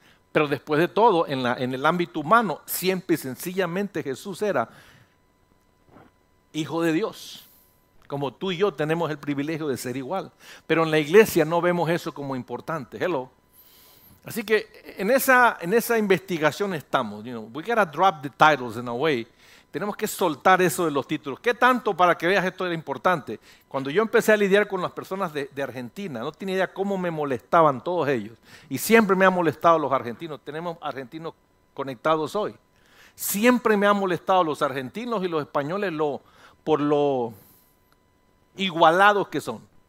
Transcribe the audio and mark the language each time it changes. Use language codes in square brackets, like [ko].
[es] Pero después de todo, en el ámbito humano, siempre y sencillamente Jesús era hijo de Dios. Como tú y yo tenemos el privilegio de ser igual. Pero en la iglesia no vemos eso como importante. [en] Hello. [es] Así que en esa investigación estamos. [en] You know, we gotta drop the titles in a way. [es] Tenemos que soltar eso de los títulos. ¿Qué tanto para que veas esto era importante? Cuando yo empecé a lidiar con las personas de Argentina, no tenía idea cómo me molestaban todos ellos. Y siempre me han molestado los argentinos. Tenemos argentinos conectados hoy. Siempre me han molestado los argentinos y los españoles por lo igualados que son.